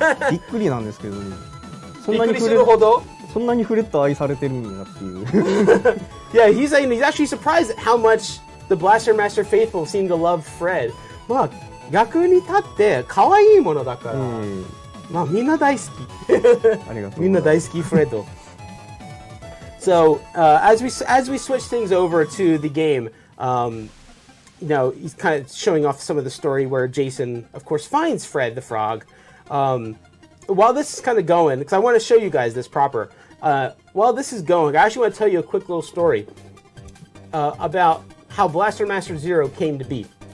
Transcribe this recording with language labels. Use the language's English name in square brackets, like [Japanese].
[Japanese] びっくりなんですけどね。そんなにびっくりするほど。そんなにフレッド愛されてるんだっていう。 [English] Yeah, he's, like, he's actually surprised at how much the Blaster Master faithful seem to love Fred. [Japanese] まあ、逆に立って可愛いものだから。まあ、みんな大好き。ありがとうございます。みんな大好き、フレッド。 [English] So, as we switch things over to the game,You know, he's kind of showing off some of the story where Jason, of course, finds Fred the Frog. While this is kind of going, because I want to show you guys this proper. While this is going, I actually want to tell you a quick little story about how Blaster Master Zero came to be.